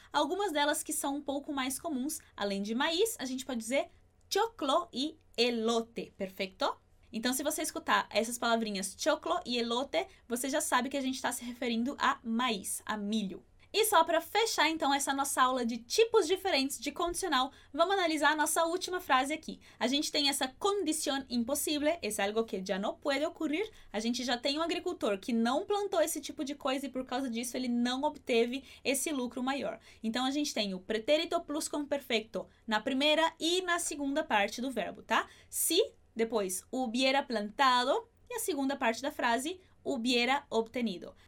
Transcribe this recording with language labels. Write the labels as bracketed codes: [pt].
[pt] Algumas delas que são um pouco mais comuns, além de maíz, a gente pode dizer choclo e elote, perfeito? Então, se você escutar essas palavrinhas choclo e elote, você já sabe que a gente está se referindo a maíz, a milho. E só para fechar, então, essa nossa aula de tipos diferentes de condicional, vamos analisar a nossa última frase aqui. A gente tem essa [es] condición imposible, es algo que ya no puede ocurrir. [pt] A gente já tem um agricultor que não plantou esse tipo de coisa e por causa disso ele não obteve esse lucro maior. Então, a gente tem o pretérito plus perfecto na primeira e na segunda parte do verbo, tá? Se... Depois, [es] hubiera plantado. [pt] E a segunda parte da frase, [es] hubiera obtenido.